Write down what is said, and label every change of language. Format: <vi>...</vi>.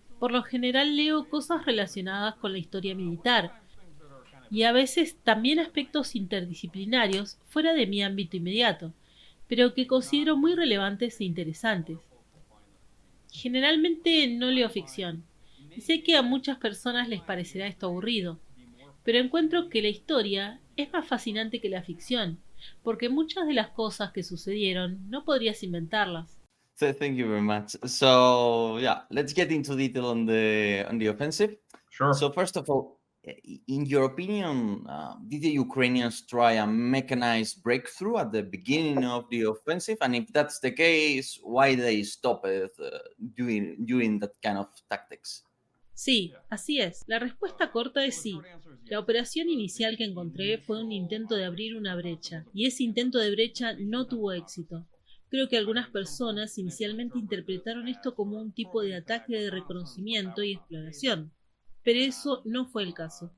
<es>Por lo general leo cosas relacionadas con la historia militar y a veces también aspectos interdisciplinarios fuera de mi ámbito inmediato, pero que considero muy relevantes e interesantes. Generalmente no leo ficción, y sé que a muchas personas les parecerá esto aburrido, pero encuentro que la historia es más fascinante que la ficción, porque muchas de las cosas que sucedieron no podrías inventarlas.</es> <en>So, thank you very much. So, yeah, let's get into detail on the offensive. Sure. So, first of all, in your opinion, did the Ukrainians try a mechanized breakthrough at the beginning of the offensive? And if that's the case, why they stopped doing that kind of tactics?</en> <es>Sí, así es. La respuesta corta es sí. La operación inicial que encontré fue un intento de abrir una brecha, y ese intento de brecha no tuvo éxito. Creo que algunas personas inicialmente interpretaron esto como un tipo de ataque de reconocimiento y exploración, pero eso no fue el caso.</es>